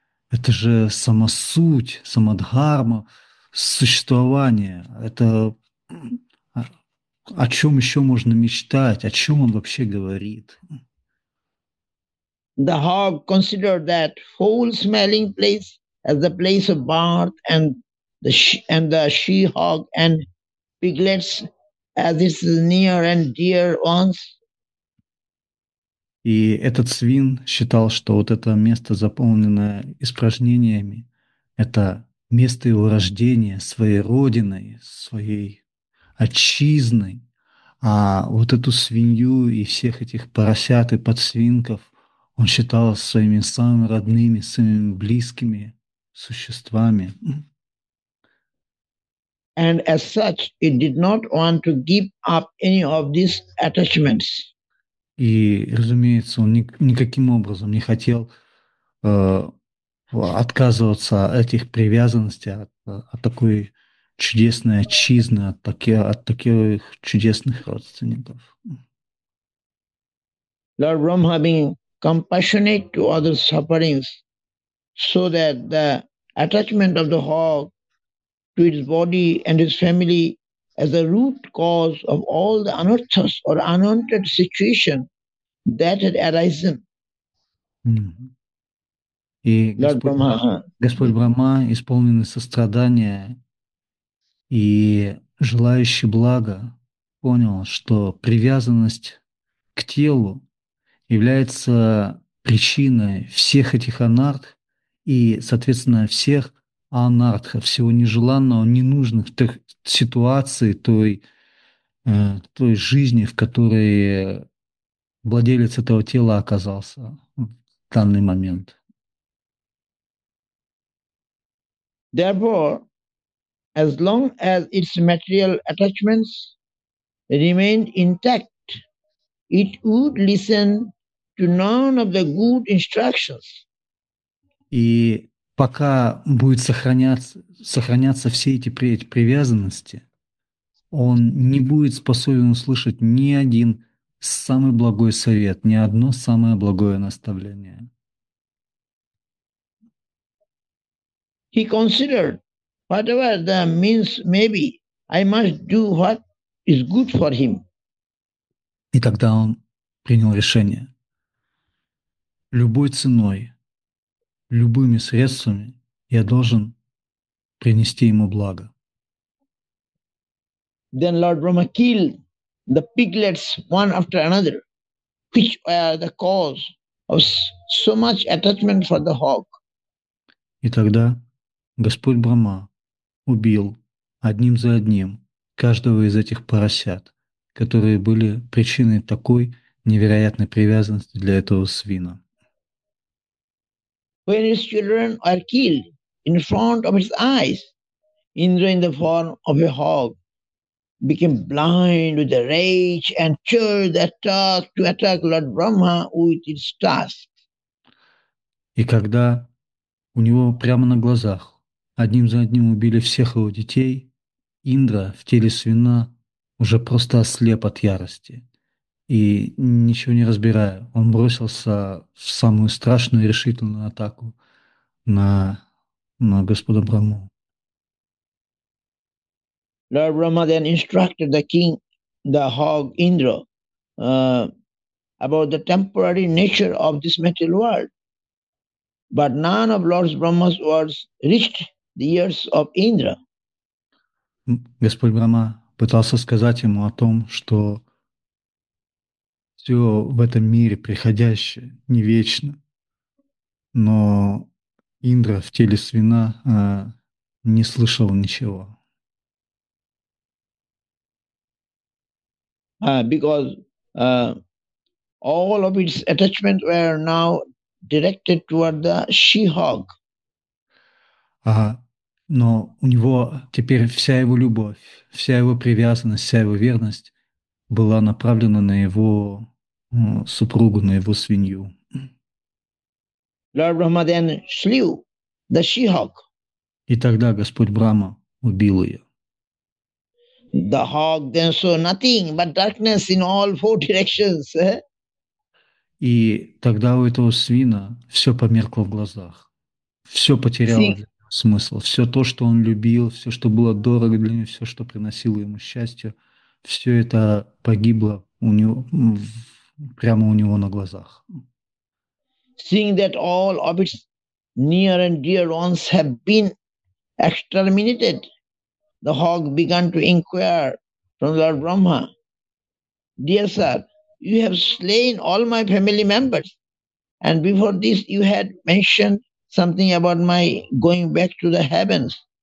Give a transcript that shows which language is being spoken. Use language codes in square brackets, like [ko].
[ru] Это же сама суть, сама дхарма существования. Это о чем еще можно мечтать, о чем он вообще говорит? [en] The hog considered that foul-smelling place as the place of birth, and the she-hog and piglets as its near and dear ones. [ru] И этот свин считал, что вот это место, заполненное испражнениями, это место его рождения, своей родиной, своей отчизной. А вот эту свинью и всех этих поросят и подсвинков он считал своими самыми родными, самыми близкими существами. [en] And as such, it did not want to give up any of these attachments. [ru] И, разумеется, он никаким образом не хотел отказываться от этих привязанностей, от такой чудесной отчизны, от таких чудесных родственников. [en] Lord Brahma being compassionate to other sufferings, so that the attachment of the hog to its body and its family as the root cause of all the anarthas or unwanted situation that had arisen. [ru] И [en] Lord Brahma. [ru] Господь Брахма, исполненный сострадания и желающий блага, понял, что привязанность к телу является причиной всех этих анартх и, соответственно, всех анартха, всего нежеланного, ненужных ситуаций, той жизни, в которой владелец этого тела оказался в данный момент. [en] Therefore, as long as its material attachments remained intact, it would listen to none of the good instructions. [ru] И пока будет сохраняться все эти привязанности, он не будет способен услышать ни один самый благой совет, ни одно самое благое наставление. [en] He considered, whatever the means may be, I must do what is good for him. [ru] И тогда он принял решение. Любой ценой, любыми средствами я должен принести ему благо. [en] Then Lord Brahma killed the piglets one after another, which were the cause of so much attachment for the hog. [ru] И тогда Господь Брахма убил одним за одним каждого из этих поросят, которые были причиной такой невероятной привязанности для этого свина. [en] When his children are killed in front of his eyes, Indra in the form of a hog became blind with the rage and chose that task to attack Lord Brahma with its task. [ru] И когда у него прямо на глазах одним за одним убили всех его детей, Индра в теле свина уже просто ослеп от ярости. И ничего не разбирая, он бросился в самую страшную и решительную атаку на Господа Брахму. [en] Lord Brahma then instructed the king, the hog Indra, about the temporary nature of this material world. But none of Lord Brahma's words reached the ears of Indra. [ru] Господь Брахма пытался сказать ему о том, что Все в этом мире приходящее, не вечно. Но Индра в теле свина, не слышал ничего. [en] Because all of its attachment were now directed toward the she-hog. Ага. [ru] Но у него теперь вся его любовь, вся его привязанность, вся его верность была направлена на его супругу, на его свинью. [en] Lord Brahma then slew the she-hog. [ru] И тогда Господь Брама убил ее. [en] The hog then saw nothing but darkness in all four directions. [ru] И тогда у этого свина все померкло в глазах. Все потеряло [en] See? [ru] для него смысл. Все то, что он любил, все, что было дорого для него, все, что приносило ему счастье, все это погибло у него, прямо у него на глазах. [en] Seeing that all of its near and dear ones have been exterminated, the hog began to inquire from Lord Brahma, "Dear sir, you have slain all my family members, and before this you had mentioned something about my going back to the heavens.